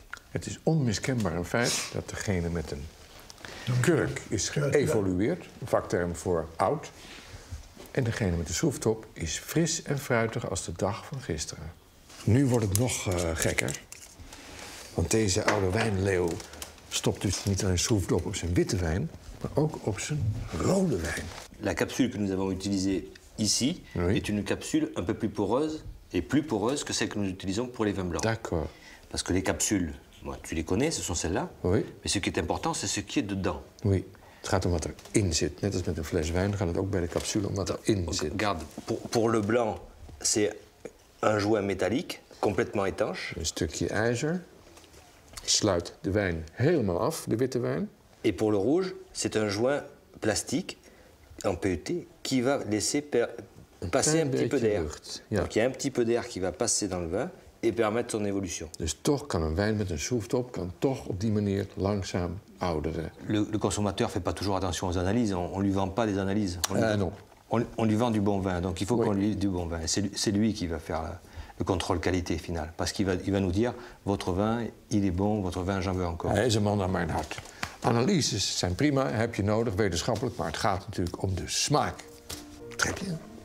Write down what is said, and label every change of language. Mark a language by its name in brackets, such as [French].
[Dutch] Het is onmiskenbaar een feit dat degene met een kurk is geëvolueerd, een vakterm voor oud. En degene met de schroeftop is fris en fruitig als de dag van gisteren. Nu wordt het nog gekker. Want deze oude wijnleeuw stopt dus niet alleen schroeftop op zijn witte wijn, maar ook op zijn rode wijn. [French] La capsule que nous avons utilisée ici est une capsule un peu plus poreuse et plus poreuse que celle que nous utilisons pour les vins blancs. D'accord. Parce que les capsules. Moi, tu les connais, ce sont celles-là. Oui. Mais ce qui est important, c'est ce qui est dedans. Oui. [Dutch] Het gaat om wat erin zit. Net als met een fles wijn gaat het ook bij de capsule om wat erin zit. [French] Regarde, pour le blanc, c'est un joint métallique, complètement étanche. [Dutch] Een stukje ijzer sluit de wijn helemaal af, de witte wijn. [French] Et pour le rouge, c'est un joint plastique, en PET, qui va laisser passer un petit peu d'air. [Dutch] Ja. [French] Donc il y a un petit peu d'air qui va passer dans le vin. Et permettre son évolution. [Dutch] Dus toch kan een wijn met een schroeftop kan toch op die manier langzaam ouderen. [French] Le consommateur fait pas toujours attention aux analyses, on lui vend pas des analyses. On lui vend du bon vin, donc il faut qu'on lui dise du bon vin. C'est lui qui va faire le contrôle qualité final. Parce qu'il va nous dire, votre vin, il est bon, votre vin, j'en veux encore. [Dutch] Hij is een man aan mijn hart. Analyses zijn prima, heb je nodig, wetenschappelijk, maar het gaat natuurlijk om de smaak. [French] Très bien.